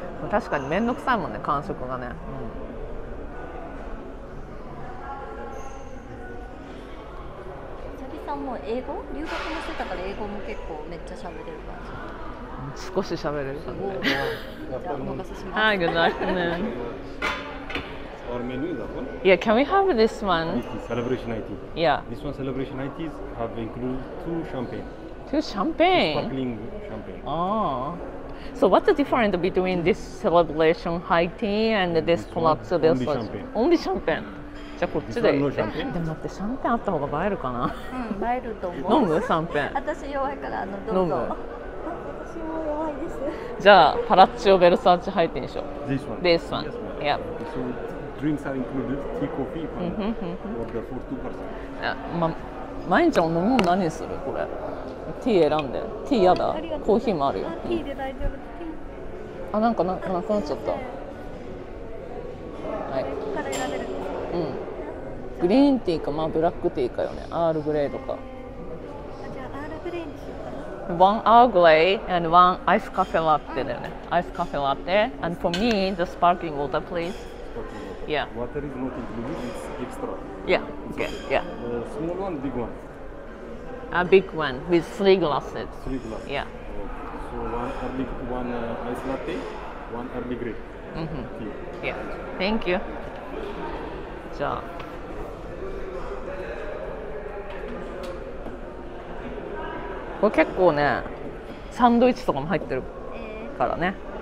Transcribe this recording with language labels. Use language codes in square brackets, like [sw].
[ja] 確かにめんどくさいもんね、感触がね、うん。もう英語、留学もしてたから英語も結構めっちゃ喋れる感じ。少し喋れる感じ。じゃあお任せします。 [en] はい、good afternoon。 Our menu is open. Yeah, can we have this one? This is celebration 90s. Yeah. This one celebration 90s have included two champagne. Two champagne. Sparkling champagne. Oh. So what's the difference between this celebration high tea and this Palazzo del Sole? Only champagne. [ja] じゃあこっちで。でも待って、シャンペンあった方が映えるかな。うん、映えると思う。飲む？シャンペン。私弱いから、あの、どうぞ。私も弱いです。じゃあパラッチオベルサーチ入ってみましょう。 [en] This one. This one. Yes, yeah. So drinks are included, tea, coffee, for two persons. [ja] Yeah, ma, 毎日の飲み物何するこれ？ティー選んで。ティーやだ。コーヒーもあるよ。ティーで大丈夫。ティー。あ、なんかなくなっちゃった。はい。うん、グリーンティーか、まあ、ブラックティーかよね。アールグレーとか。じゃあアールグレーにしようかな。 1アールグレー and 1アイスカフェラテだよね。 [en] アイスカフェラテ and for me the sparkling water please. Water. Yeah. Water is not included. It's extra. Yeah. Okay. Yeah. Small one, big one. A big one with 3 glasses. 3 glasses. Yeah. So one ice latte, one early grey. Mm-hmm. Yeah. Thank you. じゃあ [ja] これ結構ね、サンドイッチとかも入ってるからね。